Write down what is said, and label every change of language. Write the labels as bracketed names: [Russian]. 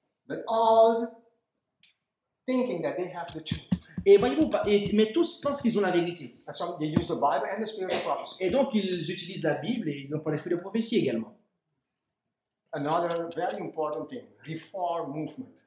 [English] But all thinking that they have the truth. [French] Et voyez-vous, mais tous pensent qu'ils ont la vérité. [English] They use the Bible and the spirit of prophecy. [French] Et donc, ils utilisent la Bible et ils ont l'esprit de prophétie également. [English] Another very important thing, reform movement.